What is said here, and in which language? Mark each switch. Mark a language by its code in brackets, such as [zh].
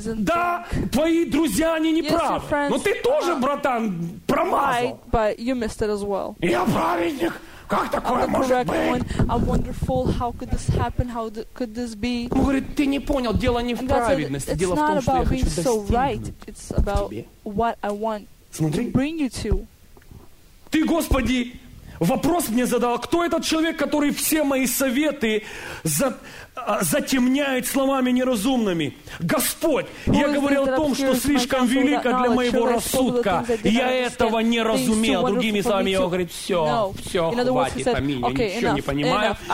[ru] Да, твои друзья, они не правы. Но ты тоже, братан, промазал. Я праведник. Как такое может быть? [en] I'm wonderful. How could this happen? How could this be? [ru] Он говорит, ты не понял, дело не в праведности. Дело в том, что я хочу достигнуть. [en] It's about what I want to bring you to. [ru] Ты, Господи, вопрос мне задал, кто этот человек, который все мои советы затемняет словами неразумными? Господь, я говорил о том, что слишком велико для моего рассудка. Я этого не разумел. Другими словами, я говорю, все, хватит, аминь. Я ничего не понимаю.